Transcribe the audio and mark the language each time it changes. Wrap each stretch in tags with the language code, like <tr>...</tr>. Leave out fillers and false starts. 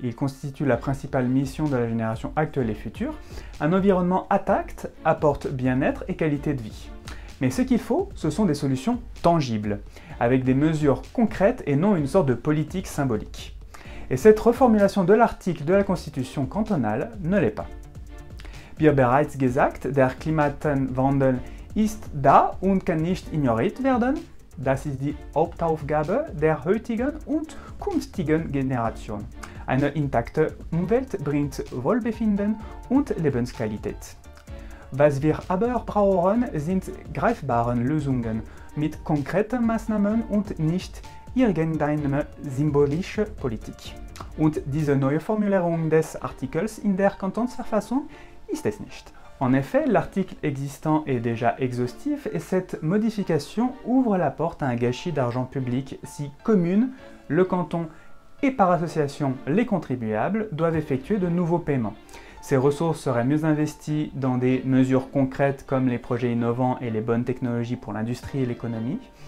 <fr>Il constitue la principale mission de la génération actuelle et future. Un environnement intact apporte bien-être et qualité de vie. Mais ce qu'il faut, ce sont des solutions tangibles, avec des mesures concrètes et non une sorte de politique symbolique. Et cette reformulation de l'article de la Constitution cantonale ne l'est pas.</fr> <de>Wie bereits gesagt, der Klimawandel ist da und kann nicht ignoriert werden. Das ist die Hauptaufgabe der heutigen und künftigen Generation. Eine intakte Umwelt bringt Wohlbefinden und Lebensqualität. Was wir aber brauchen, sind greifbare Lösungen mit konkreten Maßnahmen und nicht irgendeine symbolische Politik. Und diese neue Formulierung des Artikels in der Kantonsverfassung ist es nicht.</de> <fr>En effet, l'article existant est déjà exhaustif et cette modification ouvre la porte à un gâchis d'argent public si commune, le canton et par association les contribuables doivent effectuer de nouveaux paiements. Ces ressources seraient mieux investies dans des mesures concrètes comme les projets innovants et les bonnes technologies pour l'industrie et l'économie.</fr>